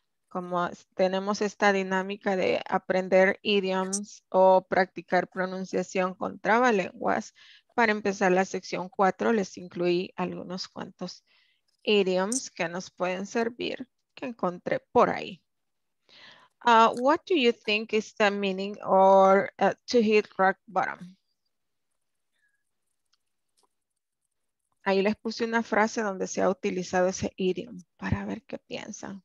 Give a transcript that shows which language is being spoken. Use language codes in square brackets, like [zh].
[es] Como tenemos esta dinámica de aprender idioms o practicar pronunciación con trabalenguas, para empezar la sección 4 les incluí algunos cuantos idioms que nos pueden servir que encontré por ahí. [en] What do you think is the meaning or to hit rock bottom? [es] Ahí les puse una frase donde se ha utilizado ese idiom para ver qué piensan.